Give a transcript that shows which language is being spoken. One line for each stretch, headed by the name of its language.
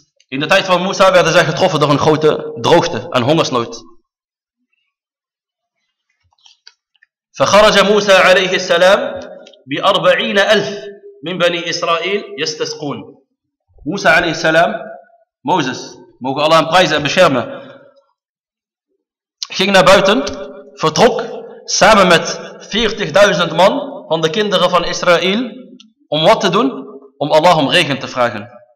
Dutch: In de tijd van Musa werden zij getroffen door een grote droogte, een hongersnood.
Arabic: فخرج موسى عليه السلام بأربعين ألف من بني إسرائيل يستسقون.
Dutch: موسى عليه السلام, Moses, mogen Allah hem prijzen en beschermen, ging naar buiten, vertrok samen met 40.000 man van de kinderen van Israël om wat te doen? Om Allah om regen te vragen.